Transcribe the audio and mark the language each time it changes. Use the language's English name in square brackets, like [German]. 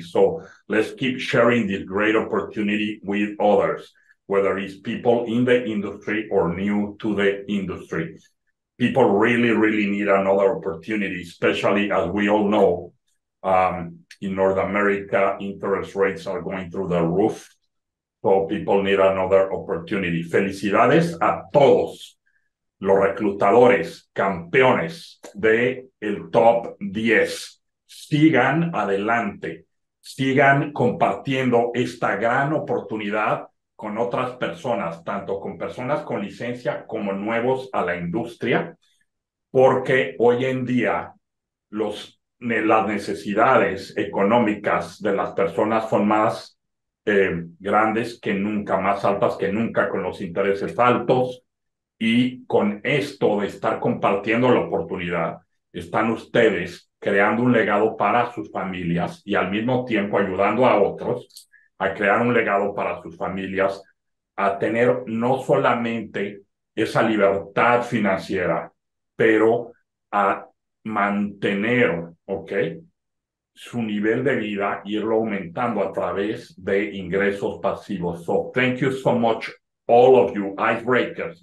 [English] So let's keep sharing this great opportunity with others, whether it's people in the industry or new to the industry. People really, really need another opportunity, especially as we all know, in North America, interest rates are going through the roof. So people need another opportunity. [Spanish] Felicidades a todos los reclutadores, campeones de el top 10. Sigan adelante. Sigan compartiendo esta gran oportunidad con otras personas, tanto con personas con licencia como nuevos a la industria, porque hoy en día las necesidades económicas de las personas son más grandes que nunca, más altas que nunca, con los intereses altos. Y con esto de estar compartiendo la oportunidad, están ustedes creando un legado para sus familias y al mismo tiempo ayudando a otros a crear un legado para sus familias, a tener no solamente esa libertad financiera, pero a mantener, ¿ok?, su nivel de vida, irlo aumentando a través de ingresos pasivos. [English] So, thank you so much, all of you, Icebreakers.